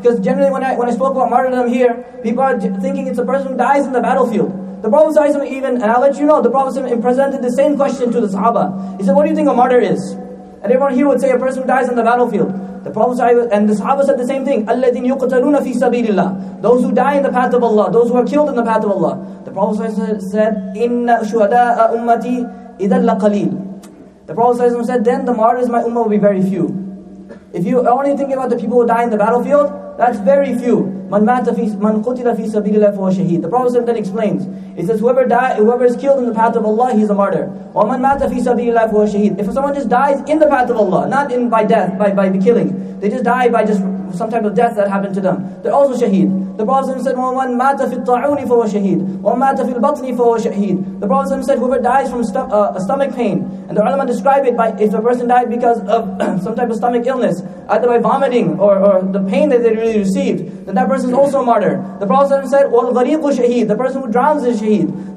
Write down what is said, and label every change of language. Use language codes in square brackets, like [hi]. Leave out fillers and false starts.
[en] Because generally when I spoke about martyrdom here, people are thinking it's a person who dies in the battlefield. The Prophet even, and I'll let you know, the Prophet presented the same question to the Sahaba. He said, what do you think a martyr is? And everyone here would say a person who dies in the battlefield. The Prophet and the Sahaba said the same thing. [ar] الَّذِينْ يُقْتَلُونَ فِي سَبِيلِ اللَّهِ. [en] Those who die in the path of Allah. Those who are killed in the path of Allah. The Prophet said, [ar] إِنَّ شُهَدَاءَ أُمَّتِي إِذَا لَقَلِيلٌ. The Prophet said, then the martyrs, my ummah, will be very few. If you are only thinking about the people who die in the battlefield, that's very few. مَنْ مَاتَ فِي مَنْ قُتِلَ فِي سَبِيلِ اللَّهِ فَهُوَ شَهِيدٌ. [en] The Prophet then explains. He says, whoever is killed in the path of Allah, he's a martyr. [ar] وَمَنْ مَاتَ فِي سَبِيلِ اللَّهِ فَهُوَ شَهِيدٌ. [en] If someone just dies in the path of Allah, not in by death, by the killing, they just die by just some type of death that happened to them, they're also shaheed. The Prophet said, [ar] وَمَنْ مَاتَ فِي الطَّاعُونِ فَهُوَ شَهِيدٌ. وَمَنْ مَاتَ فِي الْبَطْنِ فَهُوَ شَهِيدٌ. [en] The Prophet said, whoever dies from stomach pain, and the ulama describe it by if a person died because of some type of stomach illness, either by vomiting or the pain that they really received, then that person is also a martyr. The Prophet said, [ar] وَالْغَرِيقُ شَهِيدٌ. [en] The person who drowns is shaheed.